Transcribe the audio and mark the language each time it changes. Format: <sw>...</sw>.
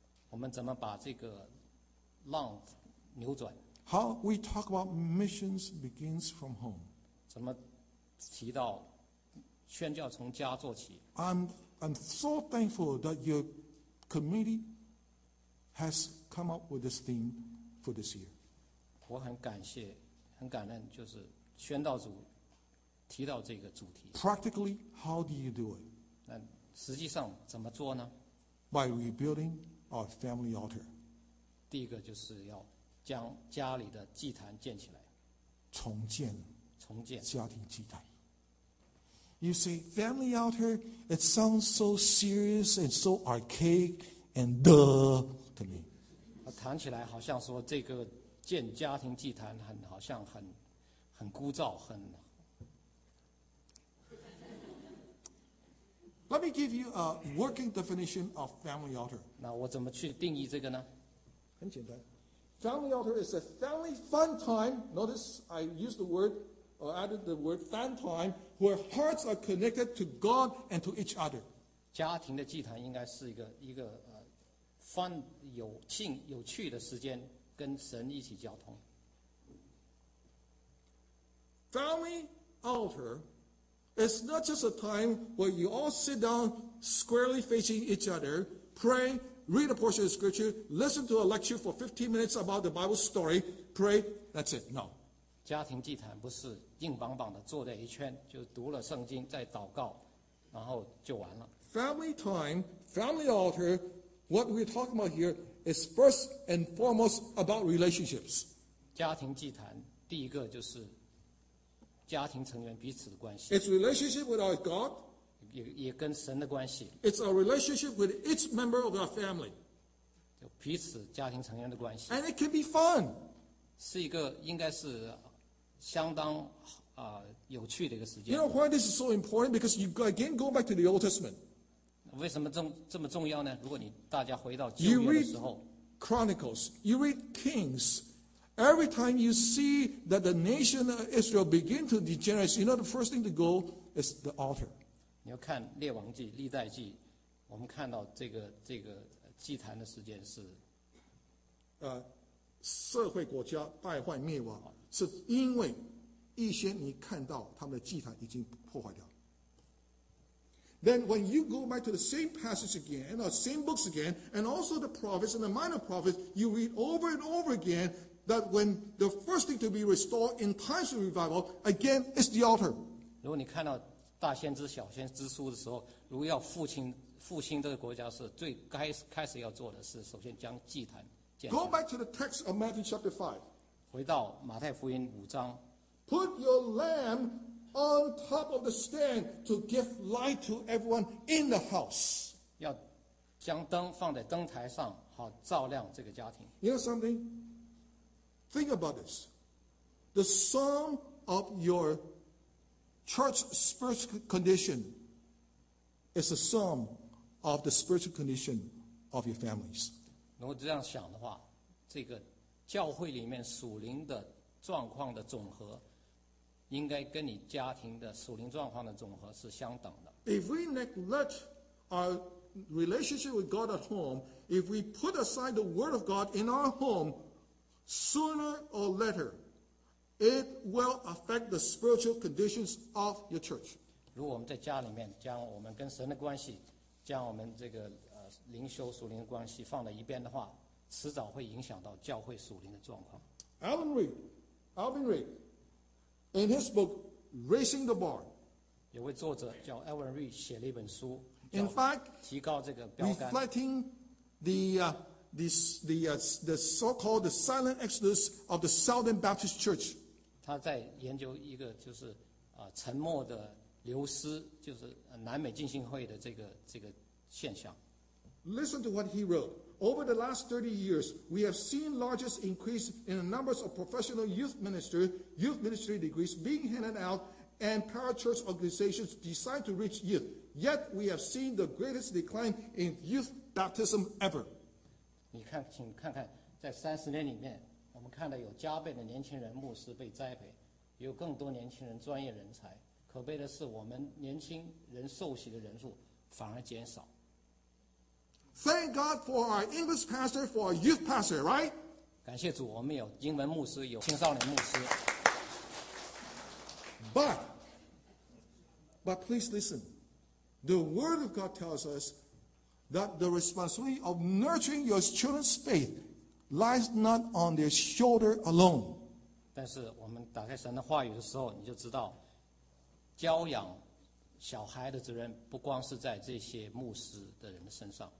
<zh>我们怎么把这个浪扭转？</zh> <en>How we talk about missions begins from home.</en> <zh>怎么提到宣教从家做起？</zh> <en>I'm so thankful that your committee has come up with this theme for this year.</en> <zh>我很感谢，很感恩，就是宣道组提到这个主题。</zh> <en>Practically, how do you do it?</en> <zh>那实际上怎么做呢？</zh> <en>By rebuilding our family altar.</en> <zh>第一个就是要将家里的祭坛建起来。重建。家庭祭坛。</zh> <en>You see, family altar, it sounds so serious and so archaic and duh to me.</en> <zh>谈起来好像说这个建家庭祭坛很好像很枯燥很。</zh> <en>Let me give you a working definition of family altar.</en> <zh>那我怎么去定义这个呢？很简单。</zh> <en>Family altar is a family fun time. Notice I used the word. Or added the word fan time, where hearts are connected to God and to each other.</en> <zh>家庭的祭坛应该是一个fun 有庆有趣的时间，跟神一起交通。</zh> <en>Family altar is not just a time where you all sit down squarely facing each other, pray, read a portion of scripture, listen to a lecture for 15 minutes about the Bible story, pray. That's it. No.</en> <zh>家庭祭坛不是硬邦邦的坐在一圈，就读了圣经再祷告，然后就完了。</zh> <en>Family time, family altar, what we're talking about here is first and foremost about relationships.</en> <zh>家庭祭坛第一个就是家庭成员彼此的关系。</zh> <en>It's relationship with our God.</en> <zh>也跟神的关系。</zh> <en>It's a relationship with each member of our family.</en> <zh>就彼此家庭成员的关系。</zh> <en>And it can be fun.</en> <zh>是一个应该是。相当有趣的一个时间。</zh> <en>You know why this is so important? Because you again go back to the Old Testament.</en> <zh>为什么这么重要呢？如果你大家回到旧约的时候</zh> <en>，You read Chronicles, you read Kings. Every time you see that the nation of Israel begin to degenerate, you know the first thing to go is the altar.</en> <zh>你要看列王记、历代记，我们看到这个祭坛的时间是，社会国家败坏灭亡。是因为一些你看到他们的祭坛已经破坏掉。</zh> <en>Then when you go back to the same passage again, or same books again, and also the prophets and the minor prophets, you read over and over again that when the first thing to be restored in times of revival, again, is the altar.</en> <zh>如果你看到大先知、小先知书的时候，如果要复兴这个国家，是最开始要做的是首先将祭坛建。</zh> <en>Go back to the text of Matthew chapter 5.</en> <zh>回到马太福音五章。</zh> <en>Put your lamb on top of the stand to give light to everyone in the house.</en> <zh>要将灯放在灯台上，好照亮这个家庭。</zh> <en>You know something? Think about this. The sum of your church spiritual condition is the sum of the spiritual condition of your families.</en> <zh>如果这样想的话，这个。教会里面属灵的状况的总和，应该跟你家庭的属灵状况的总和是相等的。</zh> <en>If we neglect our relationship with God at home, if we put aside the Word of God in our home, sooner or later, it will affect the spiritual conditions of your church.</en> <zh>如果我们在家里面将我们跟神的关系，将我们这个灵修属灵的关系放在一边的话。迟早会影响到教会属灵的状况。</zh> <en>Alvin Reed, in his book Raising the Bar,</en> <zh>有位作者叫 Alvin Reed 写了一本书。</zh> <en>In fact,</en> <zh>提高这个标杆。</zh> <en>Reflecting the so-called silent exodus of the Southern Baptist Church.</en> <zh>他在研究一个就是沉默的流失，就是南美浸信会的这个现象。</zh> <en>Listen to what he wrote. Over the last 30 years, we have seen largest increase in the numbers of professional youth ministry degrees being handed out. And parachurch organizations designed to reach youth. Yet we have seen the greatest decline in youth baptism ever.</en> <zh>你看，请看看，在三十年里面，我们看到有加倍的年轻人牧师被栽培，有更多年轻人专业人才。可悲的是，我们年轻人受洗的人数反而减少。</zh> <en>Thank God for our English pastor, for our youth pastor, right?</en> <zh>感谢主，我们有英文牧师，有青少年牧师。</zh> <en>But please listen. The Word of God tells us that the responsibility of nurturing your children's faith lies not on their shoulder alone.</en> <zh>但是我们打开神的话语的时候，你就知道，教养小孩的责任不光是在这些牧师的人的身上。</zh>